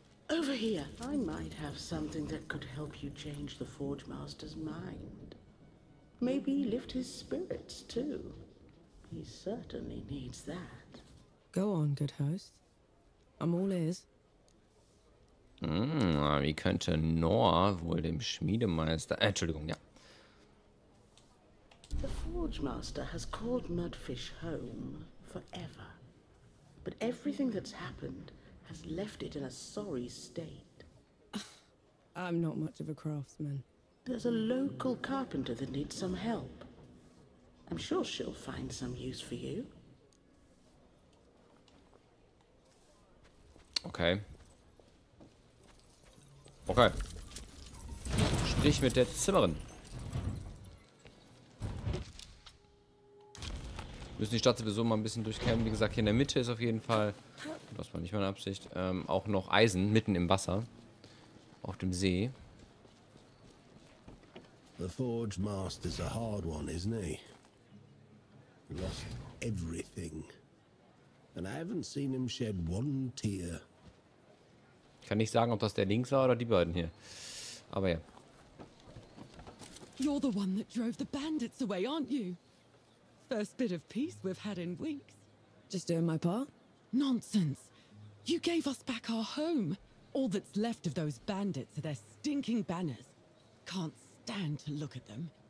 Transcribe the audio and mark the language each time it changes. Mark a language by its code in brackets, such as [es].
[en] Over here, I might have something that could help you change the Forge Master's mind. Maybe lift his spirits, too. He certainly needs that. Go on, good host. I'm all ears. [de] Wie könnte Noah wohl dem Schmiedemeister... Entschuldigung, ja. [en] The Forge Master has called Mudfish home forever. But everything that's happened has left it in a sorry state. I'm not much of a craftsman. There's a local carpenter that needs some help. I'm sure she'll find some use for you. Okay. Okay. [de] Sprich mit der Zimmerin. Wir müssen die Stadt sowieso mal ein bisschen durchkämmen. Wie gesagt, hier in der Mitte ist auf jeden Fall, das war nicht meine Absicht, auch noch Eisen mitten im Wasser. Auf dem See. [en] The Forge Master's a hard one, isn't he? Lost everything. And I haven't seen him shed one tear. [de] Ich kann nicht sagen, ob das der links war oder die beiden hier. Aber ja. [en] You're the one that drove the bandits away, aren't you? First bit of peace we've had in weeks. Just doing my part? Nonsense. You gave us back our home. All that's left of those bandits are their stinking banners. Can't stand to look at them.